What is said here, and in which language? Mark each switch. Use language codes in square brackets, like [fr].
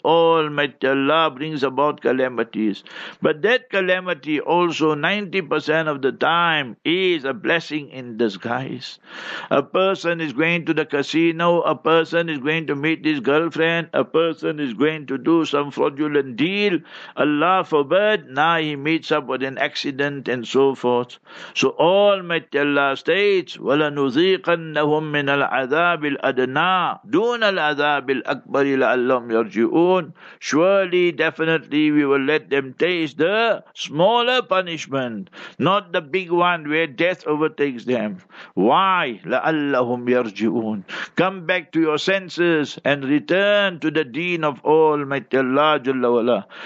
[en] Almighty Allah brings about calamities. But that calamity also, 90% of the time, is a blessing in disguise. A person is going to the casino, a person is going to meet his girlfriend, a person is going to do some fraudulent deal, Allah forbid, now he meets up with an accident and so forth. So Almighty Jalla states, [ar] وَلَنُذِيقَنَّهُمْ مِنَ الْعَذَابِ الْأَدْنَىٰ دُونَ الْعَذَابِ الْأَكْبَرِ لَعَلَّهُمْ يَرْجِعُونَ. [en] Surely, definitely, we will let them taste the smaller punishment, not the big one where death overtakes them. Why? [ar] لَعَلَّهُمْ يَرْجِعُونَ. [en] Come back to your senses and return to the deen of Almighty Allah Jalla Wala.